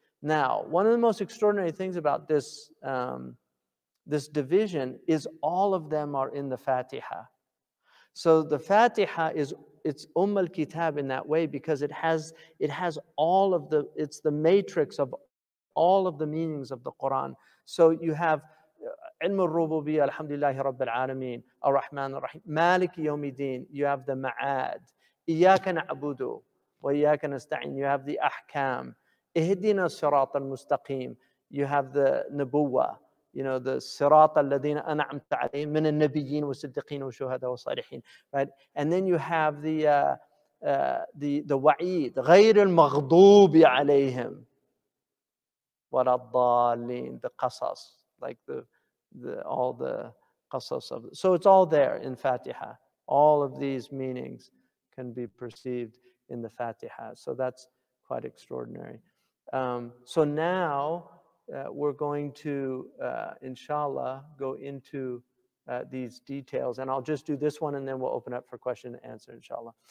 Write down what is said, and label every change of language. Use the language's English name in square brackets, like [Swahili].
[English] Now, one of the most extraordinary things about this this division is all of them are in the Fatiha. So the Fatiha is, it's Umm al-Kitab in that way, because it has all of the, it's the matrix of all of the meanings of the Quran. So you have [Arabic] علم الربوبية الحمد لله رب العالمين الرحمن الرحيم مالك يوم الدين. [English] You have the ma'ad. [Arabic] إياك نعبد وإياك نستعين. [English] You have the ahkam. [Arabic] إهدينا الصراط المستقيم. [English] You have the نبوة. You know, the [Arabic] صراط الذين أنعمت عليهم من النبيين والصديقين والشهداء والصالحين. [English] Right? And then you have the [Arabic] وعيد غير المغضوب عليهم ولا الضالين. [English] The قصص, like the all the qasas of, so it's all there in Fatiha. All of these meanings can be perceived in the Fatiha. So that's quite extraordinary. So now we're going to inshallah go into these details, and I'll just do this one and then we'll open up for question and answer inshallah.